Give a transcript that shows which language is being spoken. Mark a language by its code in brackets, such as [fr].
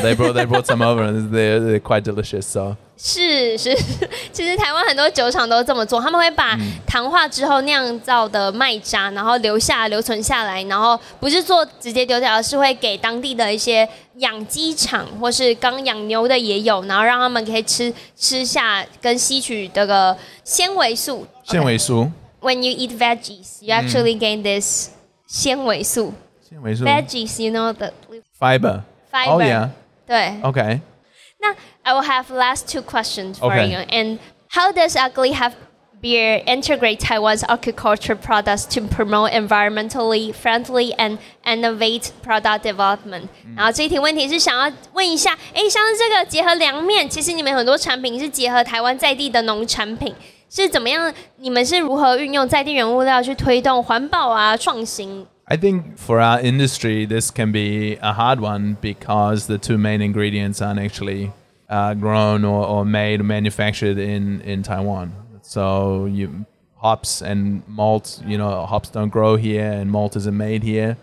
[en] They brought some over and they're quite delicious. So [zh] 是是，其实台湾很多酒厂都这么做，他们会把糖化之后酿造的麦渣，然后留存下来，然后不是做直接丢掉，而是会给当地的一些养鸡场或是刚养牛的也有，然后让他们可以吃下跟吸取这个纤维素。 [en] Okay. 纤维素。 When you eat veggies, you actually gain this 纤维素。 [zh] 纤维素。 [en] Veggies, you know the fiber. Fiber. Oh yeah. [zh] 对。 [en] Okay. 那 I will have last two questions for okay. you. And how does Ugly Have Beer integrate Taiwan's agriculture products to promote environmentally friendly and innovate product development? [zh] 然后这一题问题是想要问一下，哎，像是这个结合凉面，其实你们很多产品是结合台湾在地的农产品。是怎么样？你们是如何运用在地原物料去推动环保啊？创新 [en] ？I think for our industry, this can be a hard one because the two main ingredients aren't actually grown or made or manufactured in Taiwan. So you hops and malt, you know, hops don't grow here and malt isn't made here.